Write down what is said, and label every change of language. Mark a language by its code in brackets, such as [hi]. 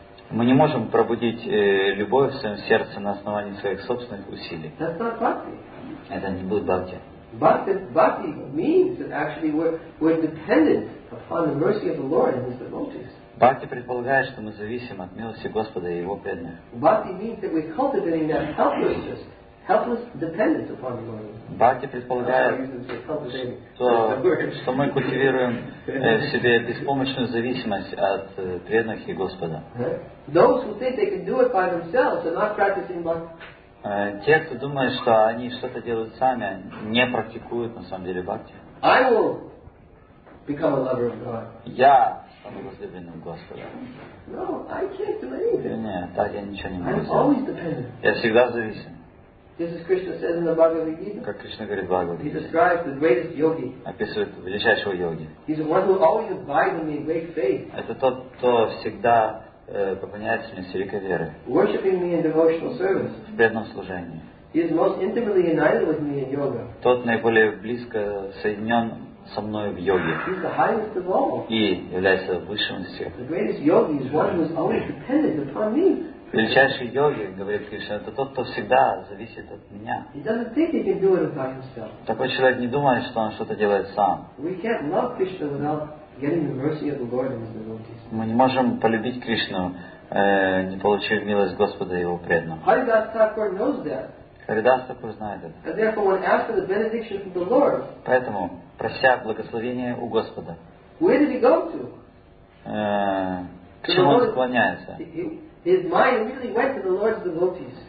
[ru] Мы не можем пробудить любовь в своем сердце на основании своих собственных усилий. Это не будет бхакти. [en] Бхакти means that actually we're dependent upon the mercy of the Lord and His devotees. [ru] Бхакти предполагает, что мы зависим от милости Господа и Его преданных. [en] Бхакти means that we're cultivating that helplessness. Helpless dependence upon the Lord. [ru] Бхакти предполагает, что мы культивируем в себе беспомощную зависимость от преданных и Господа. [en] Those who think they can do it by themselves are not practicing bhakti. [ru] Те, кто думает, что они что-то делают сами, не практикуют на самом деле бхакти. [en] I will become a lover of God. [ru] Я стану возлюбленным Господа. [en] No, I can't do anything. [ru] Нет, так я ничего не могу сделать. [en] I'm always dependent. [ru] Я всегда зависим. [en] This is Krishna says in the Bhagavad Gita. [ru] Как Кришна говорит в Бхагавад Гите. [en] He describes the greatest yogi. [ru] Описывает величайшего йоги. [en] He's the one who always abides in me in great faith. [ru] Это тот, кто всегда поклоняется мне с великой веры. [en] Worshipping me in devotional service. [ru] В преданном служении. [en] He is most intimately united with me in yoga. [ru] Тот наиболее близко соединен со мной в йоге. [en] He's the highest of all. [ru] И является высшим из всех. [en] The greatest yogi is one who is always dependent upon me. [ru] Величайший йоги, говорит Кришна, это тот, кто всегда зависит от меня. [en] He doesn't think he can do it by himself. [ru] Такой человек не думает, что он что-то делает сам. [en] We can't love Krishna without getting the mercy of the Lord and His devotees. [ru] Мы не можем полюбить Кришну, не получив милость Господа и Его преданного. [en] Haridas Thakur knows that. [ru] Haridas Thakur знает это. [en] And therefore, when asked for the benediction from the Lord, [ru] поэтому, прося благословение у Господа, [en] where did he go to? [ru] К чему он склоняется? [en] His mind immediately went to the Lord's devotees.